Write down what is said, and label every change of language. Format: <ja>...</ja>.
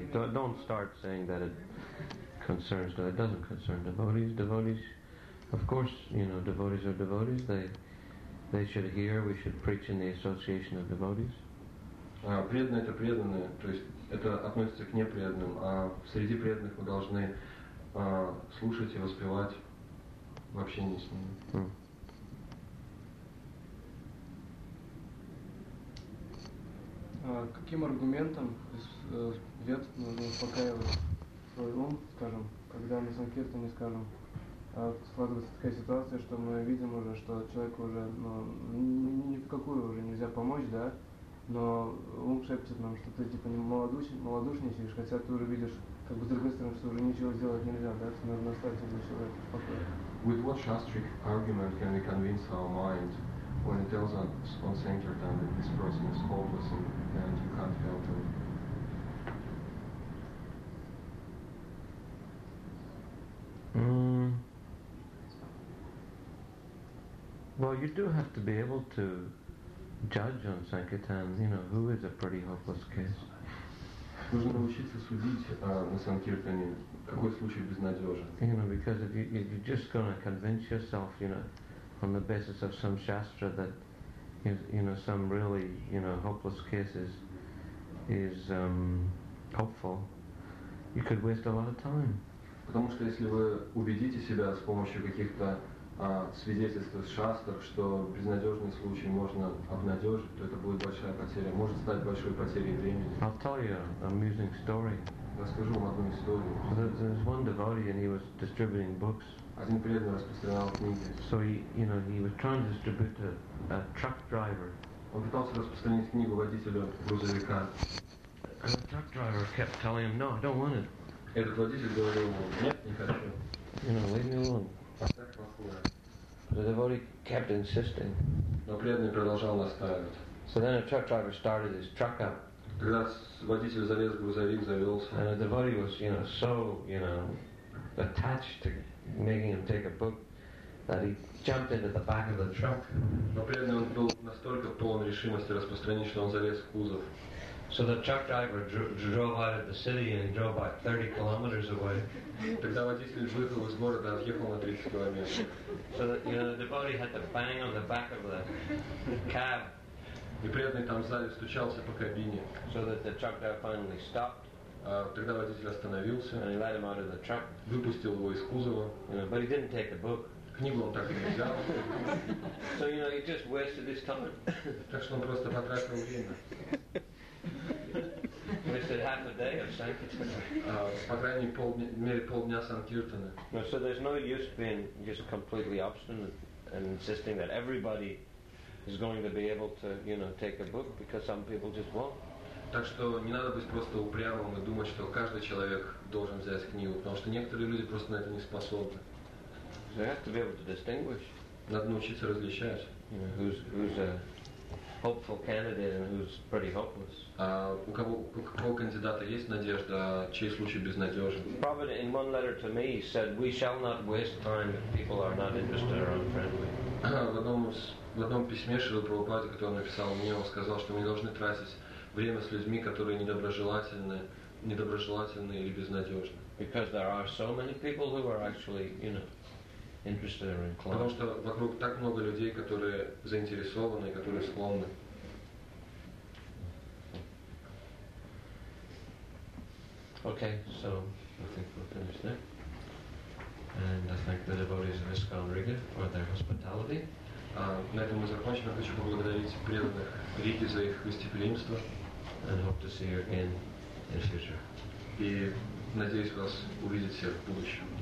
<en>Don't start saying that it concerns them. It doesn't concern devotees. Devotees, of course, you know, devotees are devotees. They should hear. We should preach in the association of devotees.</en> <ru>Преданные это преданные. То есть это относится к непреданным. А среди преданных мы должны слушать и воспевать в общении с ними. Каким аргументом вет нужно успокаивать свой ум, скажем, когда мы санкиртами скажем, складывается такая ситуация, что мы видим уже, что человеку уже ни в какую уже нельзя помочь, да, но ум шепчет нам, что ты типа не малодушничаешь, хотя ты уже видишь.</ru> <en>With what shastric argument can we convince our mind when it tells us on Sankirtan that this person is hopeless and you can't help him? Well, you do have to be able to judge on Sankirtan, you know, who is a pretty hopeless case.</en> <ru>Нужно научиться судить на санкиртане, какой случай безнадежен.</ru> <en>You know, because if you're just going to convince yourself, you know, on the basis of some shastra that, you know, some really, you know, hopeless case is hopeful, you could waste a lot of time.</en> <ru>Потому что если вы убедите себя с помощью каких-то свидетельств из шастр, что безнадежный случай можно обнадежить, то это будет большая потеря, может стать большой потерей времени.</ru> <en>I'll tell you an amusing story.</en> <ru>Расскажу вам одну историю.</ru> <en>There's one devotee and he was distributing books.</en> <ru>Один преданный распространял книги.</ru> <en>So he was trying to distribute a truck driver.</en> <ru>Он пытался распространить книгу водителю грузовика.</ru> <en>And the truck driver kept telling him, no, I don't want it.</en> <ru>Этот водитель говорил ему, нет, не хочу.</ru> <en>You know, leave me alone. The devotee kept insisting.</en> <ru>Но преданный продолжал настаивать.</ru> <en>So then a truck driver started his truck up.</en> <ru>Когда водитель залез в грузовик, завелся.</ru> <en>And the devotee was, you know, so, you know, attached to making him take a book that he jumped into the back of the truck.</en> <ru>Но преданный он был настолько полон решимости распространить, что он залез в кузов.</ru> <en>So the truck driver drove out of the city and drove about 30 kilometers away.</en> <ru>Тогда водитель выехал из города, отъехал на 30 километров.</ru> <en>So that, you know, the devotee had to bang on the back of the cab.</en> <ru>И преданный там сзади стучался по кабине.</ru> <en>So that the truck driver finally stopped.</en> <ru>Тогда водитель остановился.</ru> <en>And he let him out of the truck.</en> <ru>Выпустил его из кузова.</ru> <en>You know, but he didn't take the book.</en> <ru>Книгу он так и не взял.</ru> <en>So, you know, he just wasted his time.</en> <ru>Так что он просто потратил время.</ru> <en>Wasted half a day of sankirtana.</en> <ru>По крайней мере полдня санкиртана.</ru> <en>No, so there's no use being just completely obstinate and insisting that everybody is going to be able to, you know, take a book because some people just won't.</en> <ru>Так что не надо быть просто упрямым и думать, что каждый человек должен взять книгу, потому что некоторые люди просто на это не способны.</ru> <en>So you have to be able to distinguish.</en> <ru>Надо научиться различать.</ru> <en>You know, who's a hopeful candidate and who's pretty hopeless.</en> <ru>У кого кандидата есть надежда, чей случай безнадежен?</ru> <en>Prabhupada in one letter to me said, we shall not waste time if people are not interested or unfriendly.</en> <ru>В одном письме Шрила Прабхупаде, который он написал мне, он сказал, что мы не должны тратить время с людьми, которые недоброжелательны или безнадежны.</ru> <en>Because there are so many people who are actually, you know, interested or inclined.</en> <ru>Потому что вокруг так много людей, которые заинтересованы, которые склонны.</ru> <en>Okay, so I think we'll finish there. And I thank the devotees of ISKCON Riga for their hospitality.</en> <ru>На этом мы закончим. Я хочу поблагодарить преданных Риги за их гостеприимство.</ru> <en>And hope to see you again in the future.</en> <ru>И надеюсь вас увидеть всех в будущем.</ru>